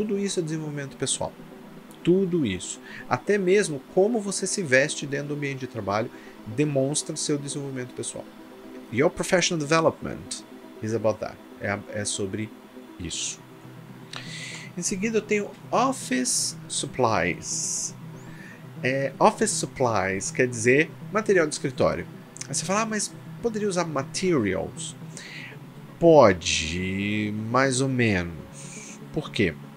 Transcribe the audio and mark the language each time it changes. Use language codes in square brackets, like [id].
[pt] Tudo isso é desenvolvimento pessoal. Tudo isso. Até mesmo como você se veste dentro do ambiente de trabalho demonstra seu desenvolvimento pessoal. [en] Your professional development is about that. [pt] É sobre isso. Em seguida, eu tenho office supplies. Office supplies quer dizer material de escritório. Aí você fala, mas poderia usar materials? Pode, mais ou menos. Por quê?